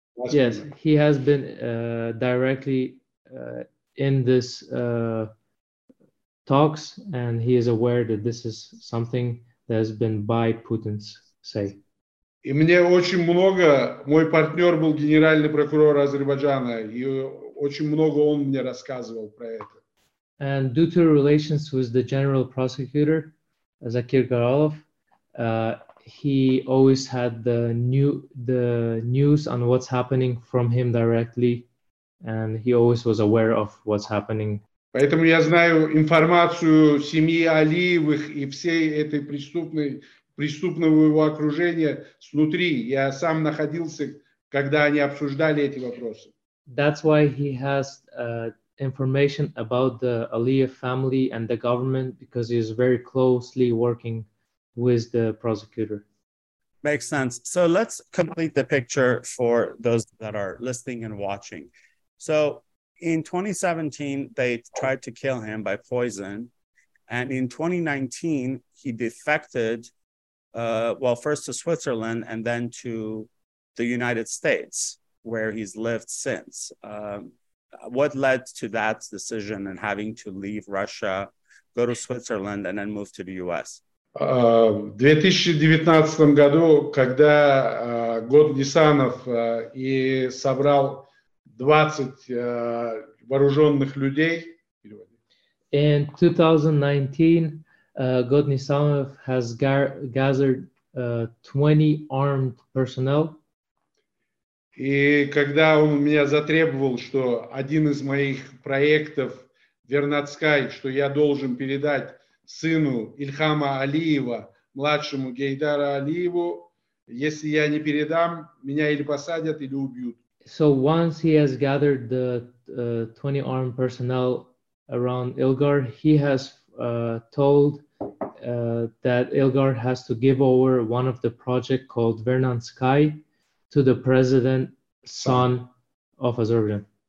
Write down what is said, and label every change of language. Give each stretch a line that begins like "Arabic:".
English: Yes, he has been directly in this talks, and he is aware that this is something that has been by Putin's say.
Russian: И мне очень много, мой партнер был генеральный прокурор Азербайджана, и очень много он мне рассказывал про это.
English: And due to relations with the general prosecutor, Zakir Garalov, he always had the news on what's happening from him directly, and he always was aware of what's happening.
Russian: Поэтому я знаю информацию семьи Алиевых и всей этой преступного его окружения снутри. Я сам находился, когда они обсуждали эти вопросы.
English: That's why he has information about the Aliyev family and the government, because he is very closely working with the prosecutor. Makes sense. So let's complete the picture for those that are listening and watching. So in 2017, they tried to kill him by poison. And in 2019, he defected, first to Switzerland and then to the United States, where he's lived since. what led to that decision and having to leave Russia, go to Switzerland, and then move to the U.S.?
Russian: В 2019 году, когда год Нисанов и собрал 20 вооруженных людей.
English: In 2019, год Нисанов has gathered 20 armed personnel.
Russian: И когда он у меня затребовал, что один из моих проектов Вернадскай, что я должен передать сыну Ильхама Алиева, младшему Гейдара Алиеву, если я не передам, меня или посадят, или убьют.
English: So once he has gathered the 20 armed personnel around Ilgar, he has told that Ilgar has to give over one of the project called Vernadskaya to the president's son of Azerbaijan.